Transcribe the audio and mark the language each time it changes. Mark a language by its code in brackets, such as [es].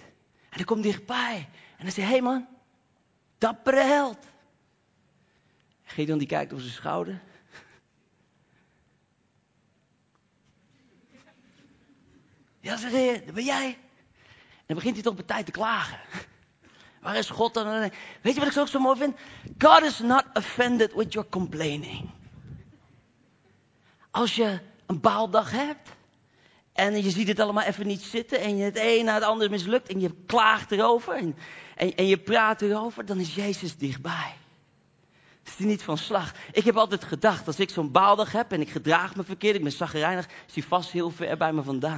[nl] En hij komt dichtbij. En hij zegt, hé man, dappere held. Gideon die kijkt over zijn schouder. Ja, zeg je, dat ben jij. En dan begint hij toch bij tijd te klagen. Waar is God dan? Weet je wat ik zo ook zo mooi vind? [en] God is not offended with your complaining. [nl] Als je een baaldag hebt en je ziet het allemaal even niet zitten en je het een na het ander mislukt en je klaagt erover en je praat erover, dan is Jezus dichtbij. Is hij niet van slag? Ik heb altijd gedacht, als ik zo'n baaldag heb en ik gedraag me verkeerd, ik ben chagrijnig, is hij vast heel ver bij me vandaan.